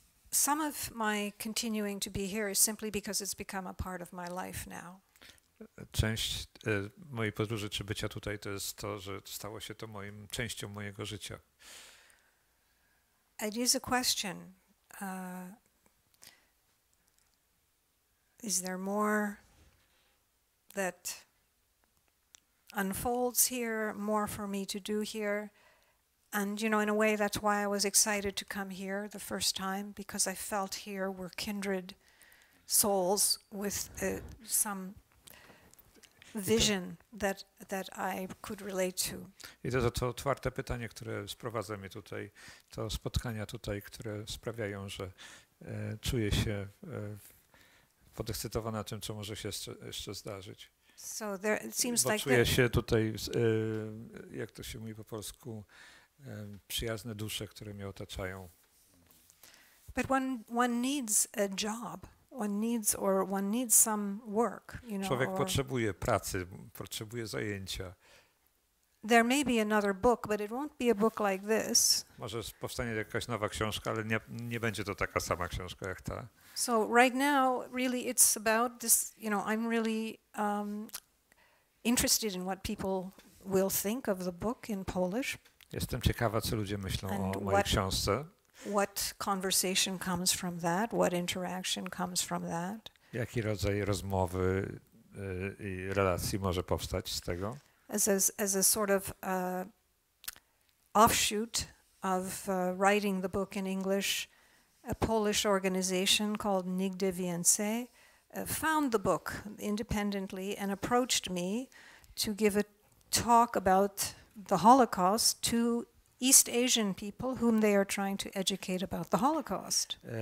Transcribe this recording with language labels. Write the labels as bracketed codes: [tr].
[en] Some of my continuing to be here is simply because it's become a part of my life now. [pl] Część mojej podróży czy bycia tutaj to jest to, że stało się to moim częścią mojego życia. [en] It is a question. Is there more that unfolds here, more for me to do here? And you know, in a way, that's why I was excited to come here the first time, because I felt here were kindred souls with some vision that I could relate to. [pl] I to jest otwarte pytanie, które sprowadza mnie tutaj, to spotkania tutaj, które sprawiają, że czuję się podekscytowana tym, co może się jeszcze zdarzyć. [en] So there, it seems [pl] bo [en] like [pl] czuję się tutaj, jak to się mówi po polsku, przyjazne dusze, które mnie otaczają. [en] But one needs a job. One needs some work, you know. [pl] Człowiek potrzebuje pracy, potrzebuje zajęcia. [en] There may be another book, but it won't be a book like this. [pl] Może powstanie jakaś nowa książka, ale nie będzie to taka sama książka jak ta. [en] So right now really it's about this, you know, I'm really interested in what people will think of the book in Polish. [pl] Jestem ciekawa, co ludzie myślą o mojej książce. [en] What conversation comes from that? What interaction comes from that? [pl] Jaki rodzaj rozmowy i relacji może powstać z tego? [en] As a sort of offshoot of writing the book in English, a Polish organization called Nigdy Więcej found the book independently and approached me to give a talk about the Holocaust to East Asian people whom they are trying to educate about the Holocaust.